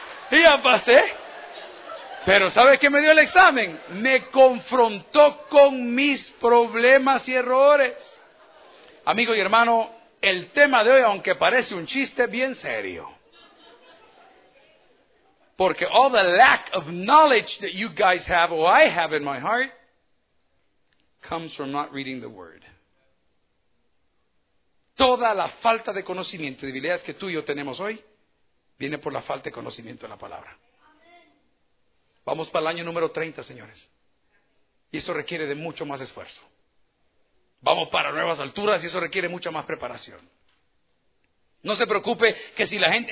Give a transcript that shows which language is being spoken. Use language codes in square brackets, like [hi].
[es] Y ya pasé. Pero ¿sabes qué me dio el examen? Me confrontó con mis problemas y errores. Amigo y hermano, el tema de hoy, aunque parece un chiste, bien serio. Porque [en] all the lack of knowledge that you guys have, or I have in my heart, comes from not reading the word. [es] Toda la falta de conocimiento y debilidades que tú y yo tenemos hoy, viene por la falta de conocimiento de la palabra. Vamos para el año número 30, señores. Y esto requiere de mucho más esfuerzo. Vamos para nuevas alturas y eso requiere mucha más preparación. No se preocupe que si la gente...